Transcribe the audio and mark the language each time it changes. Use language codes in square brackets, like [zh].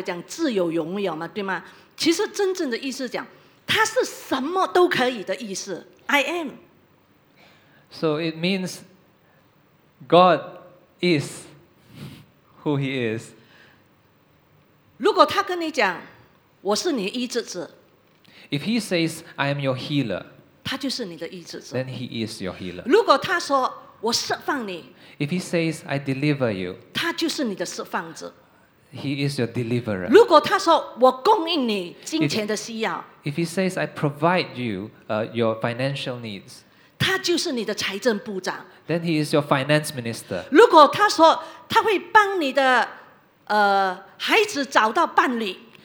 [zh] 那个意思呢,华文版有讲自由荣耀嘛,对吗?其实真正的意思讲,他是什么都可以的意思, [en] I am. So it means God is who He is. [zh] 如果他跟你讲，我是你的医治者， [en] if He says, I am your healer, [zh] 他就是你的医治者， [en] then He is your healer. [zh] 如果他说，我释放你， [en] if He says, I deliver you, [zh] 他就是你的释放者， [en] He is your deliverer. [zh] 如果他说，我供应你金钱的需要， [en] if He says, I provide you your financial needs, [zh] 他就是你的财政部长。 [en] Then he is your finance minister. [zh] 如果他说他会帮你的, 孩子找到伴侣,